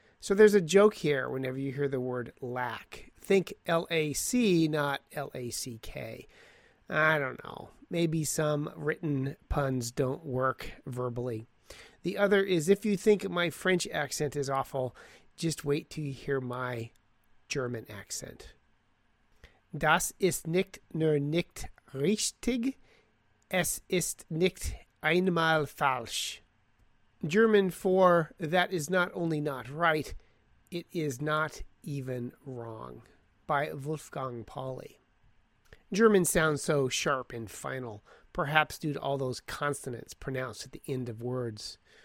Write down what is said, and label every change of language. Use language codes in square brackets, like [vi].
[en] So there's a joke here whenever you hear the word lack. Think L-A-C, not L-A-C-K. I don't know. Maybe some written puns don't work verbally. The other is, if you think my French accent is awful, just wait till you hear my German accent. [de] Das ist nicht nur nicht richtig, es ist nicht einmal falsch. [en] German for that is not only not right, it is not even wrong, by Wolfgang Pauli. German sounds so sharp and final, perhaps due to all those consonants pronounced at the end of words.